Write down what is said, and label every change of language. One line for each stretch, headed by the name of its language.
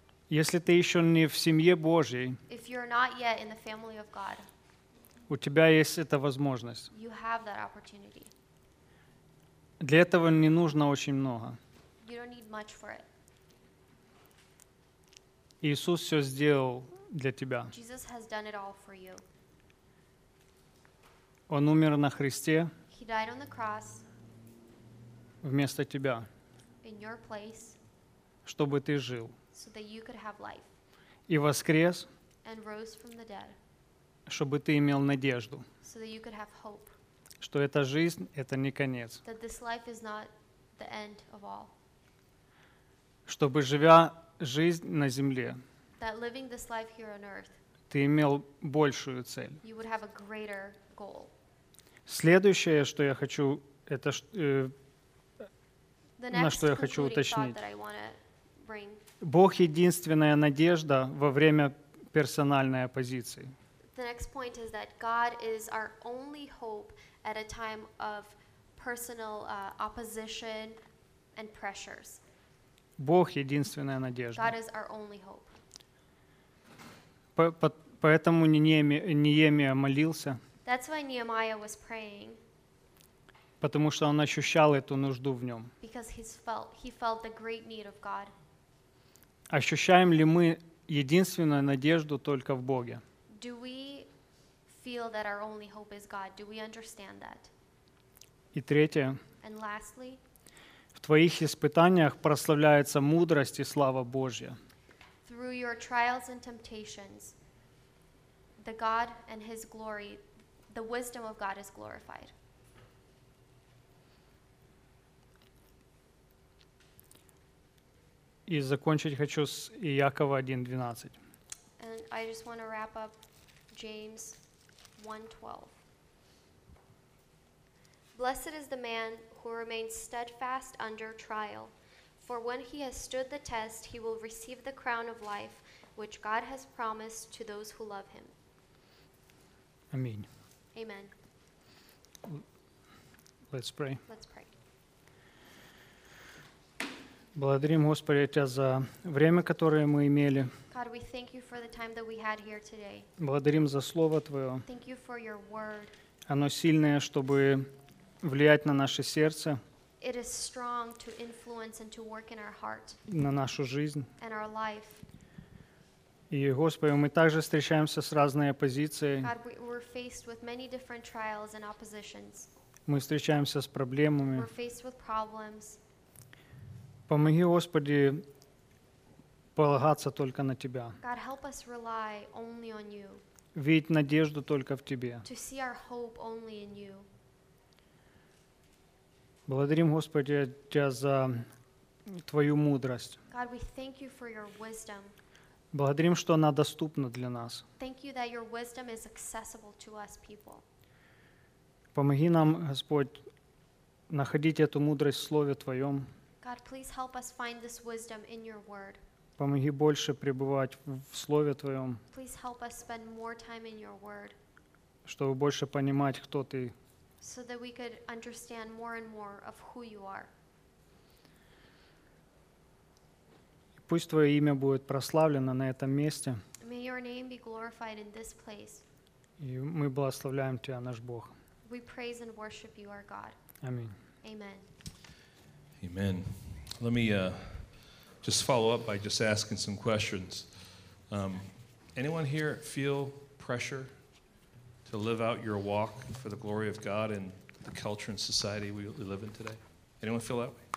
Russian: Если ты еще не в семье Божьей,
English: if you're not yet in the family of God,
Russian: у тебя есть эта возможность.
English: You have that opportunity.
Russian: Для этого не нужно очень много.
English: You don't need much for it.
Russian: Иисус все сделал для тебя.
English: Jesus has done it all for you.
Russian: Он умер на Христе.
English: He died on the cross.
Russian: Вместо тебя.
English: In your place.
Russian: Чтобы ты жил.
English: So that you could have life.
Russian: И воскрес.
English: And rose from the dead.
Russian: Чтобы ты имел надежду.
English: So that you could have hope.
Russian: Что эта жизнь это не конец.
English: That this life is not the end of all.
Russian: Чтобы, живя жизнь на земле,
English: that living this life here on earth,
Russian: ты имел большую цель.
English: You would have a greater goal.
Russian: Следующее, что я хочу, это, на что я хочу уточнить.
English: Bring,
Russian: Бог — единственная надежда во время персональной оппозиции.
English: The next point is that God is our only hope at a time of personal opposition and pressures.
Russian: Бог — единственная надежда.
English: God is our only hope.
Russian: Поэтому Неемия молился.
English: That's why Nehemiah was praying.
Russian: Потому что он ощущал эту нужду в нем.
English: Because he felt the great need of God.
Russian: Ощущаем ли мы единственную надежду только в Боге?
English: Do we feel that our only hope is God? Do we understand that?
Russian: И третье.
English: And lastly,
Russian: в твоих испытаниях прославляется мудрость и слава Божья.
English: Through your trials and temptations, the God and His glory, the wisdom of God is glorified.
Russian: И И закончить хочу с Иакова 1:12.
English: And I just want to wrap up James 1:12. Blessed is the man who remains steadfast under trial, for when he has stood the test, he will receive the crown of life, which God has promised to those who love him. Amen. Amen. Let's pray. Let's pray.
Russian: Благодарим Господи Тебя за время, которое мы имели.
English: God, we thank you for the time that we had here today.
Russian: Благодарим за Слово Твое.
English: Thank you for your word.
Russian: Оно сильное, чтобы влиять на наше сердце.
English: It is strong to influence and to work in our heart.
Russian: На нашу жизнь.
English: And our life.
Russian: И, Господи, мы также встречаемся с разной оппозицией.
English: God, we're faced with many different trials and oppositions.
Russian: Мы встречаемся с проблемами.
English: We're faced with problems.
Russian: Помоги, Господи, полагаться только на Тебя.
English: God, help us rely only on you.
Russian: Видеть надежду только в Тебе.
English: To see our hope only in you.
Russian: Благодарим, Господи, Тебя за Твою мудрость.
English: God, we thank you for your wisdom.
Russian: Благодарим, что она доступна для нас.
English: Thank you that your wisdom is accessible to us people.
Russian: Помоги нам, Господь, находить эту мудрость в Слове Твоем.
English: God, please help us find this wisdom in your word.
Russian: Помоги больше пребывать в Слове Твоем.
English: Please help us spend more time in your word.
Russian: Чтобы больше понимать, кто Ты.
English: So that we could understand more and more of who you are.
Russian: Пусть Твое имя будет прославлено на этом месте.
English: May your name be glorified in this place.
Russian: И мы благословляем Тебя, наш Бог.
English: We praise and worship you, our God. Amen. Amen. Amen. Let me just follow up by just asking some questions. Anyone here feel pressure to live out your walk for the glory of God in the culture and society we live in today? Anyone feel that way?